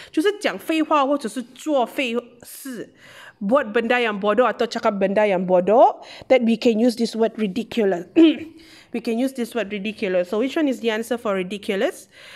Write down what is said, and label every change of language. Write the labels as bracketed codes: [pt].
[zh] 就是讲废话 或者是做废事. [ms] Buat benda yang bodoh atau cakap benda yang bodoh. [en] That we can use this word ridiculous. We can use this word ridiculous. So which one is the answer for ridiculous?